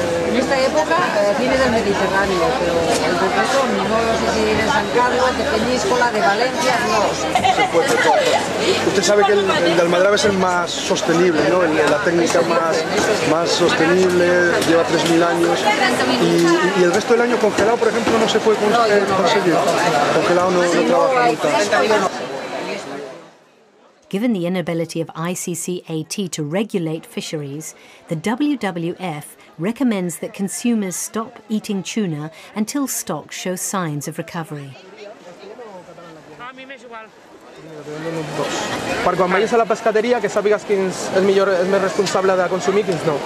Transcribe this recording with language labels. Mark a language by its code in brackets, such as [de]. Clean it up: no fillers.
[es] En esta época viene del Mediterráneo, pero en tu caso no lo sé si de San Carlos, de Peñíscola, de Valencia, no. Se puede, usted sabe que el de Almadrava es el más sostenible, ¿no? La técnica más sostenible, lleva 3.000 años. Y el resto del año congelado, por ejemplo, no se puede conseguir. Congelado no trabaja nunca. [en] Given the inability of ICCAT to regulate fisheries, the WWF recommends that consumers stop eating tuna until stocks show signs of recovery. [ca] Per quan vagis a la pescateria, que sàpigues quin és el millor, el més responsable de consumir, quins no.